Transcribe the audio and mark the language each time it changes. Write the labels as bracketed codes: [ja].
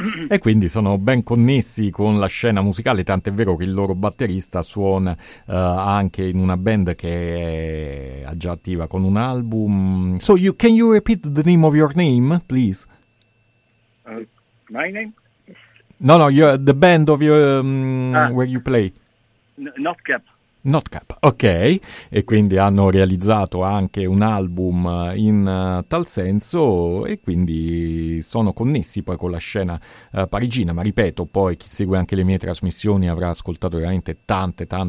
[it] E quindi sono ben connessi con la scena musicale, tant'è vero che il loro batterista suona anche in una band che è già attiva con un album. [en] So, can you repeat the name of your name, please? My name? No, the band of your where you play. Not Cap, [it] ok, e quindi hanno realizzato anche un album in tal senso e quindi sono connessi poi con la scena parigina, ma ripeto, poi chi segue anche le mie trasmissioni avrà ascoltato veramente tante